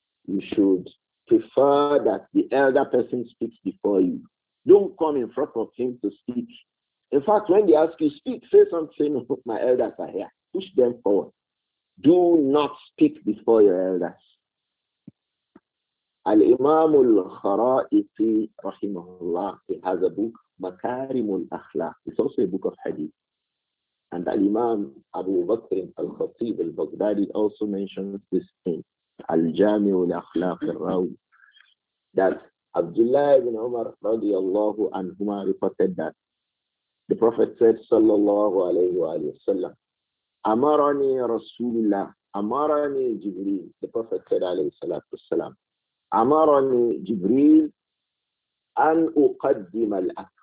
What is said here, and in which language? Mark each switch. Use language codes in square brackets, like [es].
[en] You should prefer that the elder person speaks before you. Don't come in front of him to speak. In fact, when they ask you speak, say something. My elders are here. Push them forward. Do not speak before your elders. [ar] الإمام الخرائطي رحمه الله في هذا البوك مكارم الأخلاق. [en] It's also a book of hadith. And Al-Imam Abu Bakr al-Khatib al-Baghdadi also mentions this in Al-Jami' al-Akhlaq al-Rawi, that Abdullah ibn Umar radiallahu anhuma reported that the Prophet said sallallahu alayhi wa sallam, [ar] Amarani Rasulullah, Amarani Jibreel, [en] the Prophet said alayhi salatu wasalam, [ar] Amarani Jibreel an uqaddim al-akhlaq.